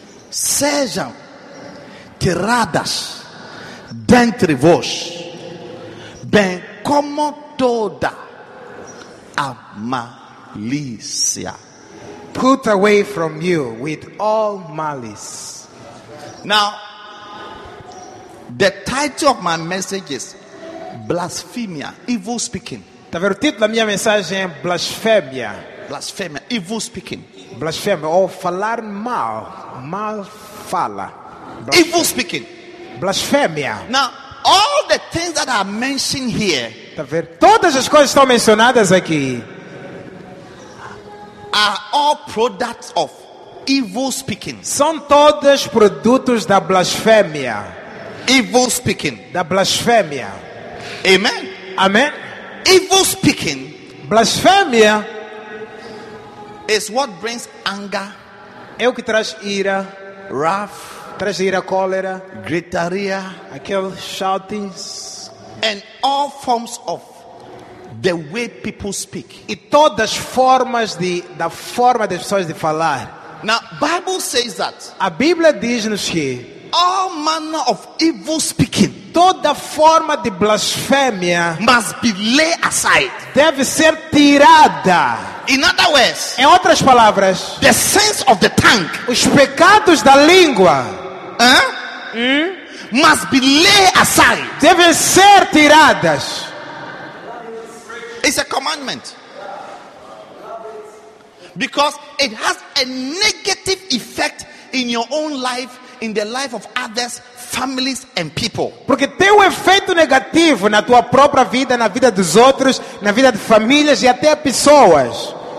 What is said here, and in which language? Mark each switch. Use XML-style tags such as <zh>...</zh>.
<pt>Sejam tiradas dentre vós, bem como toda a malícia.</pt> <en>Put away from you with all malice. Now, the title of my message is blasphemia, evil speaking.</en> <pt>Tá vendo o título da minha mensagem? Blasfêmia.</pt> <en>Blasfêmia, evil speaking.</en> <pt>Blasfêmia, ou falar mal, mal fala.</pt> <en>Evil speaking.</en> <pt>Blasfêmia.</pt> <en>Now, all the things that are mentioned here.</en> <pt>Tá vendo? Todas as coisas estão mencionadas aqui.</pt> <en>are all products of evil speaking.</en> <pt>São todos produtos da blasfêmia.</pt> <en>Evil speaking.</en> <pt>Da blasfêmia.</pt> <en>Amen.</en> <pt>Amen.</pt> <en>Evil speaking.</en> <pt>Blasfêmia.</pt> <en>Is what brings anger.</en> <pt>É o que traz ira.</pt> <en>Wrath.</en> <pt>Traz ira, cólera. Gritaria. Aquele shoutings.</pt> <en>And all forms of the way people speak.</en> <pt>E todas formas de da forma das pessoas de falar.</pt> <en>Now, Bible says that.</en> <pt>A Bíblia diz-nos que</pt> <en>all manner of evil speaking,</en> <pt>toda forma de blasfêmia,</pt> <en>must be laid aside.</en> <pt>Deve ser tirada.</pt> <en>In other words,</en> <pt>em outras palavras,</pt> <en>the sins of the tongue,</en> <pt>os pecados da língua,</pt> <en>must be laid aside.</en> <pt>Devem ser tiradas.</pt> <en>It's a commandment. Because it has a negative effect in your own life, in the life of others, families and people.</en> <pt>Porque tem efeito negativo na tua própria vida, na vida dos outros, na vida de famílias e até pessoas.</pt>